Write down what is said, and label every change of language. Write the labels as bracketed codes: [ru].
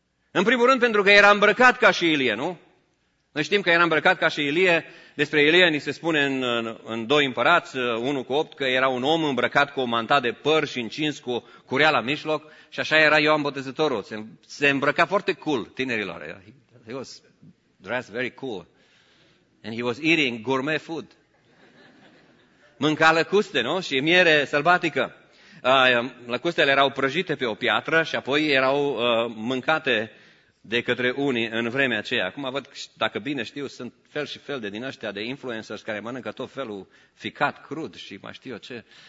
[ro] În primul rând, pentru că era îmbrăcat ca și Ilie, nu? Noi știm că era îmbrăcat ca și Ilie. Despre Ilie ni se spune în Doi Împărați, 1 cu 8, că era un om îmbrăcat cu o manta de păr și încins cu curea la mijloc. Și așa era Ioan Botezătorul. Se îmbrăca foarte cool, tinerilor. [en] He was dressed very cool. And he was eating gourmet food. [ro] Mânca lăcuste, nu? Și miere sălbatică. Lăcustele erau prăjite pe o piatră și apoi erau mâncate de către unii în vremea aceea. Acum văd, dacă bine știu, sunt fel și fel de din ăștia de influencers care mănâncă tot felul ficat, crud și mai știu ce.